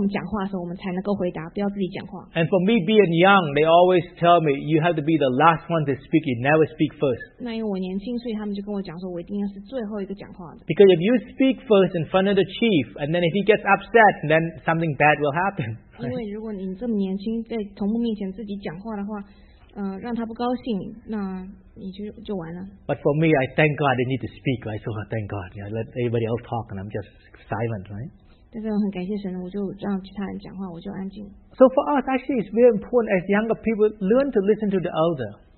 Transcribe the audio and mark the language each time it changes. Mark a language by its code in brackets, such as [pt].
[zh] 我们就被这样子告诉说，因为我们不重要，所以人家跟我们讲话的时候，我们才能够回答，不要自己讲话。 [en] And for me being young, they always tell me, you have to be the last one to speak, you never speak first. [zh] 那因为我年轻，所以他们就跟我讲说，我一定是最后一个讲话的。 [en] Because if you speak first in front of the chief, and then if he gets upset, then something bad will happen. Right? [zh] 因为如果你这么年轻，在同目面前自己讲话的话，让他不高兴，那。你就完了。 [en] But for me, I thank God I need to speak, right? So thank God, yeah, let everybody else talk and I'm just silent, right? [zh] 但是我很感谢神，我就让其他人讲话，我就安静。 [en] So for us, actually, it's very important as younger people learn to listen to the elder.